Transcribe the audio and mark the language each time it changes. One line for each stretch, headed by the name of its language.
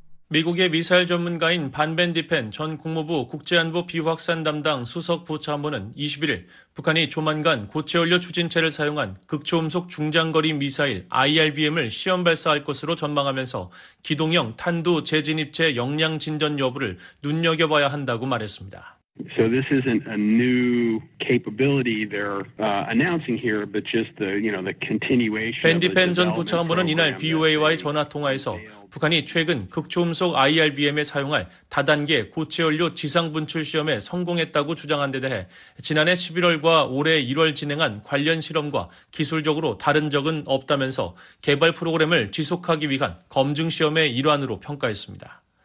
Korean: 미국의 미사일 전문가인 반 벤디펜 전 국무부 국제안보 비확산 담당 수석 부참모는 21일 북한이 조만간 고체연료 추진체를 사용한 극초음속 중장거리 미사일 IRBM을 시험 발사할 것으로 전망하면서 기동형 탄두 재진입체 역량 진전 여부를 눈여겨봐야 한다고 말했습니다.
English: So this isn't a new capability they're announcing here, but just the, you know, the continuation.
Korean: 벤디펜 전 부참모는 이날 VOA와의 전화 통화에서 북한이 최근 극초음속 IRBM에 사용할 다단계 고체연료 지상분출 시험에 성공했다고 주장한 데 대해 지난해 11월과 올해 1월 진행한 관련 실험과 기술적으로 다른 적은 없다면서 개발 프로그램을 지속하기 위한 검증 시험의 일환으로 평가했습니다.